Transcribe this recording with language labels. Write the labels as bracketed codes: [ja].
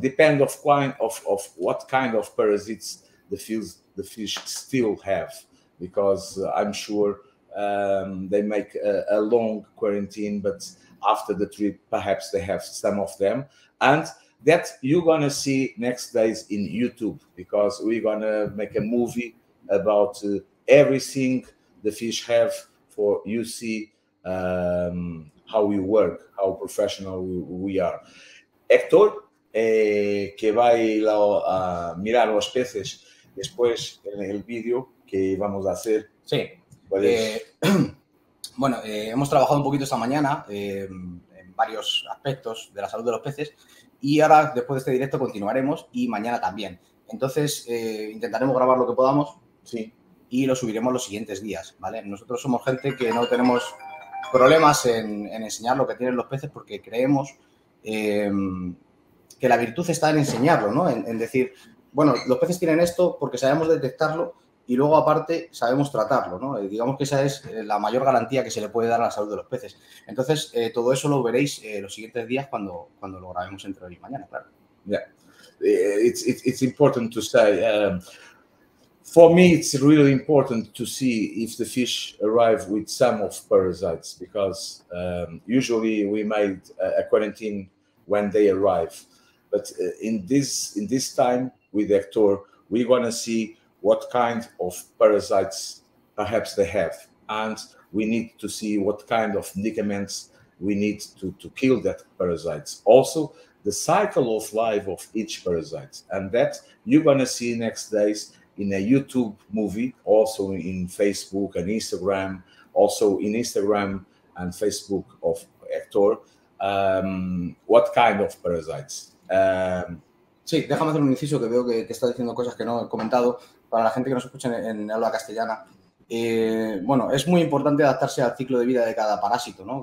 [en] Depend of kind of what kind of parasites the fish still have, because I'm sure they make a long quarantine, but after the trip perhaps they have some of them, and that you're gonna see next days in YouTube, because we're gonna make a movie about everything the fish have for you see how we work, how professional we are. [es] Héctor, que va a ir a mirar los peces después en el vídeo que vamos a hacer. Sí. Hemos trabajado un poquito esta mañana en varios aspectos de la salud de los peces y ahora, después de este directo, continuaremos y mañana también. Entonces, intentaremos grabar lo que podamos, sí, y lo subiremos los siguientes días, ¿vale? Nosotros somos gente que no tenemos problemas en enseñar lo que tienen los peces porque creemos que la virtud está en enseñarlo, ¿no? En decir, bueno, los peces tienen esto porque sabemos detectarlo y luego, aparte, sabemos tratarlo, ¿no? Digamos que esa es la mayor garantía que se le puede dar a la salud de los peces. Entonces, todo eso lo veréis los siguientes días cuando lo grabemos entre hoy y mañana, claro. [en] Yeah, it's important to say. For me, it's really important to see if the fish arrive with some of parasites, because usually we made a quarantine when they arrive. But in this time with Héctor, we wanna see what kind of parasites perhaps they have. And we need to see what kind of medicaments we need to kill that parasites. Also, the cycle of life of each parasite. And that you're gonna see next days in a YouTube movie, also in Facebook and Instagram, also in Instagram and Facebook of Héctor, what kind of parasites. [es] Sí, déjame hacer un inciso que veo que está diciendo cosas que no he comentado para la gente que nos escucha en habla castellana. Bueno, es muy importante adaptarse al ciclo de vida de cada parásito, ¿no?